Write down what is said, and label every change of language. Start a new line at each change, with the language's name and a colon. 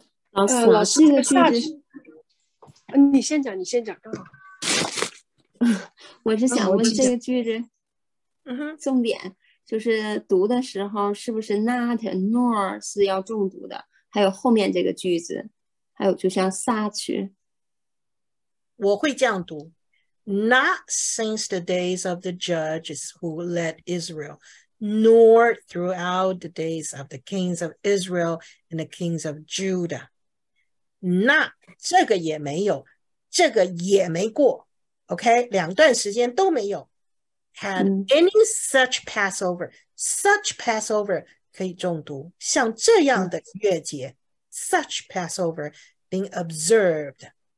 Chinese: 老师，这个句子，你先讲，刚好。我是想问这个句子，重点就是读的时候是不是 not nor 是要重读的？还有后面这个句子，还有就像 such，我会这样读
English: ：not since the days of the judges who led Israel, nor throughout the days of the kings of Israel and the kings of Judah。
Chinese: 那这个也没有，这个也没过， OK， 两段时间都没有。
English: Had any such Passover， such Passover
Chinese: 可以重读，像这样的月节，
English: such Passover being observed。